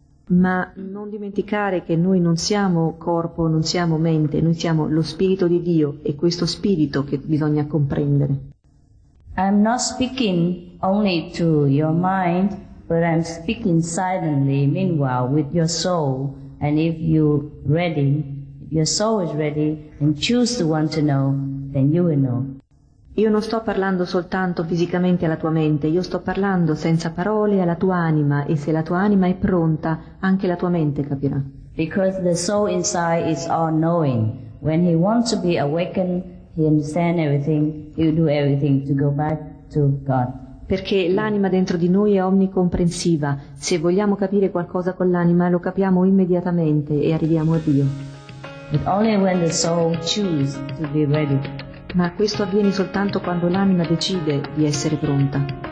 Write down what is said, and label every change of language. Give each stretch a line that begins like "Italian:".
Italian: Ma non dimenticare che noi non siamo corpo, non siamo mente, noi siamo lo spirito di Dio, e questo spirito che bisogna comprendere.
English: I'm not speaking only to your mind, but I'm speaking silently meanwhile with your soul, and if you're ready, if your soul is ready and choose to want to know, then you will know.
Italian: Io non sto parlando soltanto fisicamente alla tua mente, io sto parlando senza parole alla tua anima, e se la tua anima è pronta, anche la tua mente capirà.
English: Because the soul inside is all knowing. When he wants to be awakened, he understands everything, he'll do everything to go back to God.
Italian: Perché l'anima dentro di noi è omnicomprensiva. Se vogliamo capire qualcosa con l'anima, lo capiamo immediatamente e arriviamo a Dio.
English: But only when the soul chooses to be ready.
Italian: Ma questo avviene soltanto quando l'anima decide di essere pronta.